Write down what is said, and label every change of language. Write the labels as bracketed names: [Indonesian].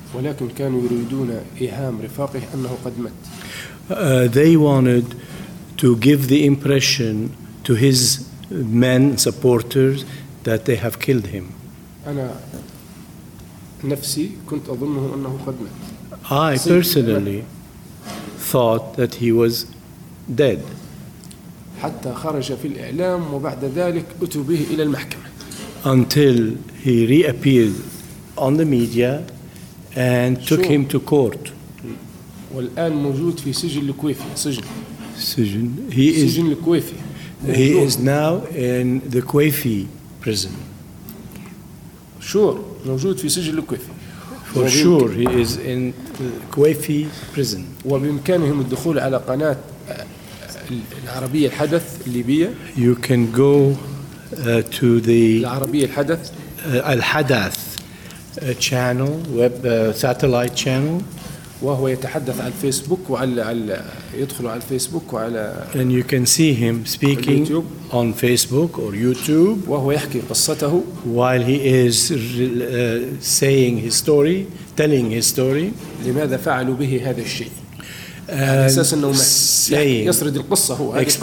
[Arabic] ولكن كانوا يريدون إيهام رفاقه أنه قد مات. [English] They wanted to give the impression to his men supporters that they have killed him. [Arabic] أنا نفسي كنت أظنه أنه قد مات. [English] I personally thought that he was dead. [Arabic] حتى خرج في الإعلام وبعد ذلك أتوا به إلى المحكمة. [English] Until he reappeared on the media and took him to court. [Arabic] والآن موجود في سجن الكويفي. سجن. [English] سجن. He is. [Arabic] سجن الكويفي. [English] He is now in the Kweifi prison. Sure. [Arabic] موجود في سجن الكويفي. [English] For sure, he is in the Kweifi prison. [Arabic] وبإمكانهم الدخول على قناة العربية الحدث الليبية. [English] You can go to the [Arabic] العربية الحدث. [English] الحدث. A channel, web satellite channel. [Arabic] وهو يتحدث على الفيسبوك وعلى يدخل على الفيسبوك وعلى. [English] And you can see him speaking on Facebook or YouTube. [Arabic] وهو يحكي قصته. [English] While he is saying his story, telling his story. [Arabic] لماذا فعلوا به هذا الشيء؟ أساس إنه يسرد القصة هو.